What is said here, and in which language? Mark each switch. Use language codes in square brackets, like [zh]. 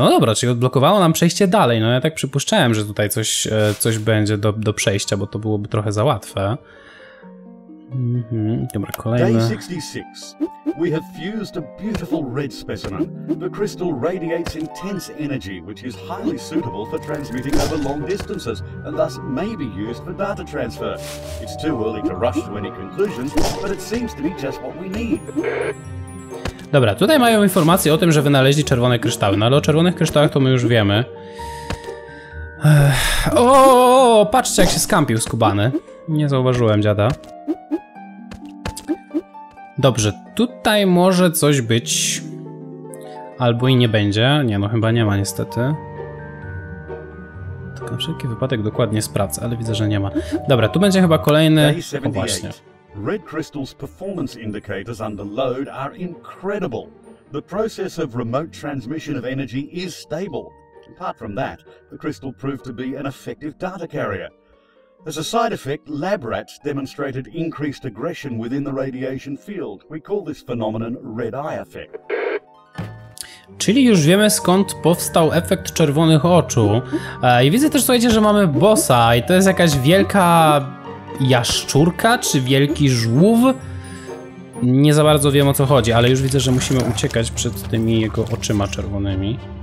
[pl] No dobra, czyli odblokowało nam przejście dalej. No ja tak przypuszczałem, że tutaj coś będzie do przejścia, bo to byłoby trochę za łatwe. Dobra, kolejne. [en] Day 66. We have fused a beautiful red specimen. The crystal radiates intense energy, which is highly suitable for transmitting over long distances, and thus may be used for data transfer. It's too early to rush to any conclusions, but it seems to be just what we need. [pl] Dobra, tutaj mają informacje o tym, że wynaleźli czerwone kryształy. No ale o czerwonych kryształach to my już wiemy. O, patrzcie, jak się skampił skubany. Nie zauważyłem dziada. Dobrze, tutaj może coś być. Albo i nie będzie. Nie, no chyba nie ma niestety. Tylko na wszelki wypadek dokładnie sprawdzę, ale widzę, że nie ma. Dobra, tu będzie chyba kolejny... O, właśnie. [en] Red Crystal's performance indicators under load are incredible. The process of remote transmission of energy is stable. Apart from that, the crystal proved to be an effective data carrier. As a side effect, lab rats demonstrated increased aggression within the radiation field. We call this phenomenon red eye effect. [pl] Czyli już wiemy, skąd powstał efekt czerwonych oczu. I widzę też, słuchajcie, że mamy bossa i to jest jakaś wielka jaszczurka czy wielki żółw. Nie za bardzo wiem, o co chodzi, ale już widzę, że musimy uciekać przed tymi jego oczyma czerwonymi.